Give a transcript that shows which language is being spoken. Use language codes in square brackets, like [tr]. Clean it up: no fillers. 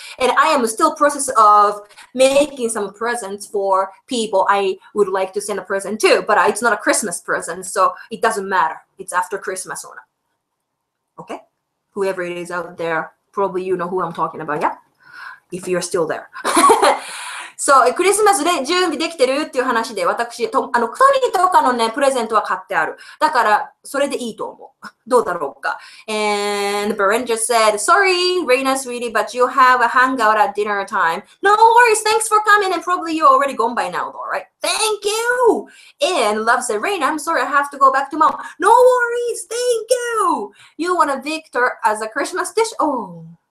[en] And I am still process of making some presents for people I would like to send a present to, but it's not a Christmas present, so it doesn't matter. It's after Christmas or not. Okay? Whoever it is out there, probably you know who I'm talking about, yeah? If you're still there. [ja] そう、クリスマスで準備できてるっていう話で、私、トニーとかのね、プレゼントは買ってある。だから、それでいいと思う。どうだろうか。 [en] And Berenja said, Sorry, Reina, sweetie, but you have a hangout at dinner time. No worries, thanks for coming, and probably you're already gone by now, though, right? Thank you! And Love said, Reina, I'm sorry, I have to go back to mom. No worries, thank you! You want a Victor as a Christmas dish? Oh.